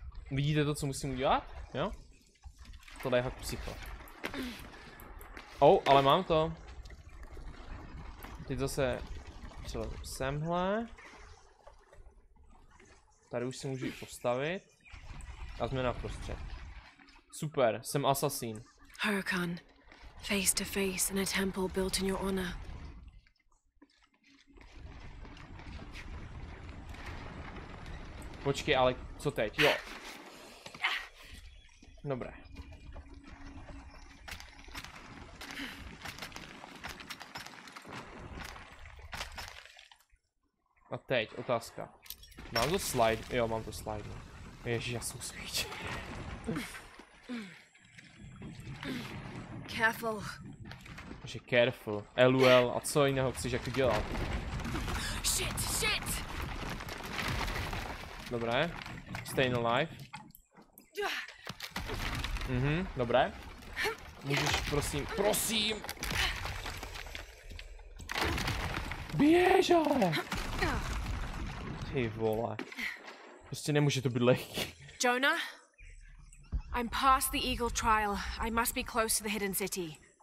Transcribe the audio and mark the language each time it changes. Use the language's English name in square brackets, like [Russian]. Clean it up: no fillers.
[Czech] Vidíte to, co musím udělat? Jo? Tohle je fakt psycho. Oh, ale mám to. Teď zase přelezu semhle. Tady už si můžu i postavit. A změna prostřed. Super, jsem asasín. [English] Hurricane, face to face in a temple built in your honor. [Czech] Počkej, ale co teď? Jo. Dobré. A teď, otázka. Mám to slide? Jo, mám to slide. Ježiš, já jsem svíč. [English] Careful. [Czech] Že careful. LOL, a co jiného chceš jako dělat? [English] Shit, shit! [Czech] Dobré. Stay alive. Dobré. Můžeš, prosím, prosím! Běž, ale! Ty vole. Prostě nemůže to být lehký. [English] Jonah, I'm past the Eagle Trial. I must be close to the Hidden City.